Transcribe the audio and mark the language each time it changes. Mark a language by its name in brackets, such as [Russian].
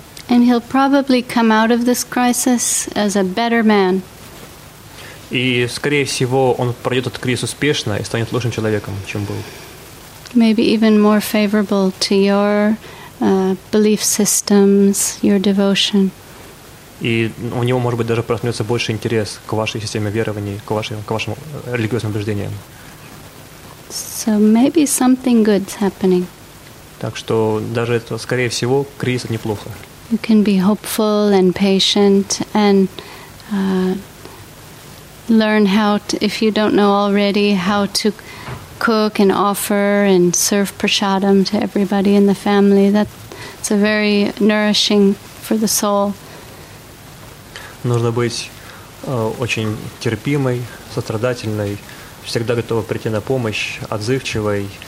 [English] And he'll probably come out of this crisis as a better man. [Russian] И, скорее всего, он пройдет этот кризис успешно и станет лучшим человеком, чем был. [English] Maybe even more favorable to your belief systems, your devotion. [Russian] И у него, может быть, даже проснется больше интерес к вашей системе верований, к вашим религиозным убеждениям. [English] So maybe something good's happening. [Russian] Так что даже это, скорее всего, кризис неплохо. [English] You can be hopeful and patient and learn how to, if you don't know already, how to cook and offer and serve prasadam to everybody in the family. That's a very nourishing for the soul. [Russian] Нужно быть очень терпимой, сострадательной, всегда готовой прийти на помощь, отзывчивой.